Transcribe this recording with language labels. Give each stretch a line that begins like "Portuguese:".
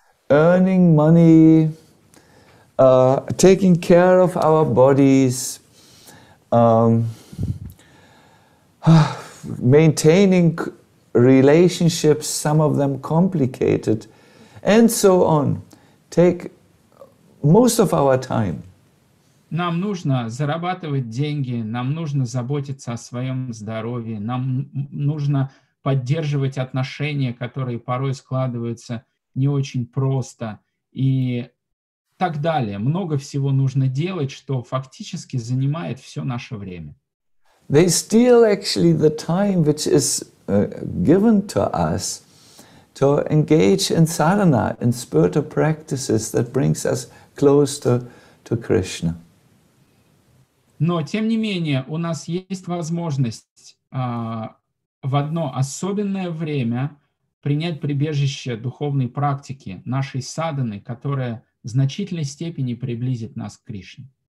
English: Earning money, taking care of our bodies, maintaining relationships, some of them complicated, and so on, take most of our time.
Russian: Нам нужно зарабатывать деньги, нам нужно заботиться о своем здоровье, нам нужно поддерживать отношения, которые порой складываются не очень просто и так далее. Много всего нужно делать, что фактически занимает все наше время.
English: They steal actually the time which is given to us to engage in sadhana, in spiritual practices that brings us close to Krishna.
Russian: Но, тем не менее, у нас есть возможность в одно особенное время принять прибежище духовной практики, нашей садханы, которая в значительной степени приблизит нас к Кришне.